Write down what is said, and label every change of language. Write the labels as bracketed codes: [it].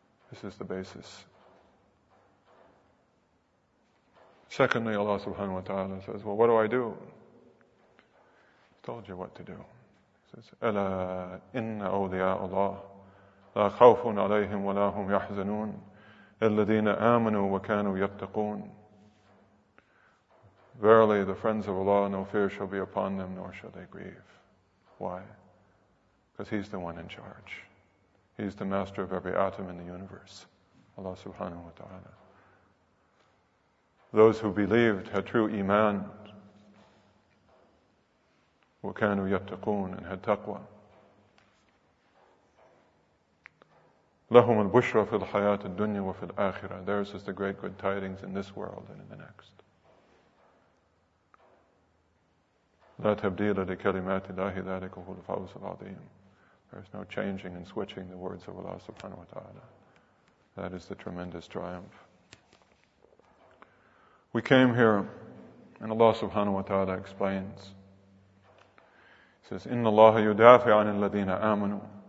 [en] This is the basis. Secondly, Allah subhanahu wa ta'ala says, well, what do I do? I told you what to do. He says, [ar] Ala inna awliya Allah. لا خوف عليهم ولا هم يحزنون الذين آمنوا وكانوا يتقون. [en] Verily, the friends of Allah, no fear shall be upon them, nor shall they grieve. Why? Because He's the one in charge. He's the master of every atom in the universe, Allah subhanahu wa ta'ala. Those who believed had true iman, [ar] وكانوا يتقون, [en] and had taqwa. [ar] لَهُمُ الْبُشْرَ فِي الْحَيَاةِ الدُّنْيَا وَفِي الْآخِرَةِ. [en] Theirs is the great good tidings in this world and in the next. [ar] لَا تَبْدِيلَ لِكَلِمَاتِ اللَّهِ ذَلِكُهُ الْفَوْزُ الْعَظِيمُ. [en] There is no changing and switching the words of Allah subhanahu wa ta'ala. That is the tremendous triumph. We came here, and Allah subhanahu wa ta'ala explains. He says, [ar] إِنَّ اللَّهَ يُدَافِعَ عَنِ الَّذِينَ آمَنُوا.